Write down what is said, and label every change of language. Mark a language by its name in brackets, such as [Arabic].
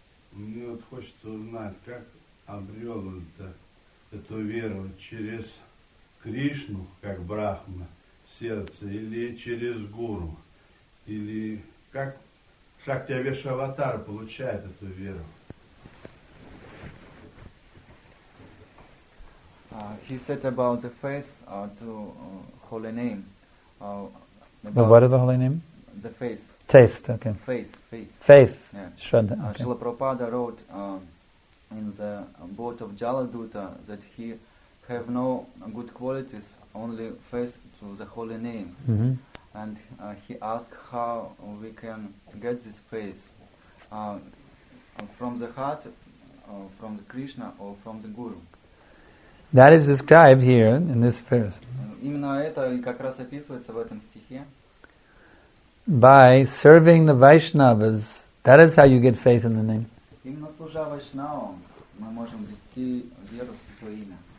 [Russian] Мне вот хочется узнать, как обрел он эту веру через Кришну, как Брахма, сердце, или через гуру, или как Шакти Авеша Аватара получает эту веру. [English] He said about the faith to holy name. What is the holy name? The faith. Taste, okay. Faith. Yeah. Shraddha, okay. Srila Prabhupada wrote in the boat of Jaladuta that he have no good qualities, only faith to the holy name. Mm-hmm. And he asked how we can get this faith from the heart, from the Krishna, or from the Guru. That is described here in this verse. [Russian] Именно это как раз описывается в этом стихе. [English] By serving the Vaishnavas, that is how you get faith in the name. [Russian] Именно служа Вайшнавам, мы можем обрести веру в святое имя.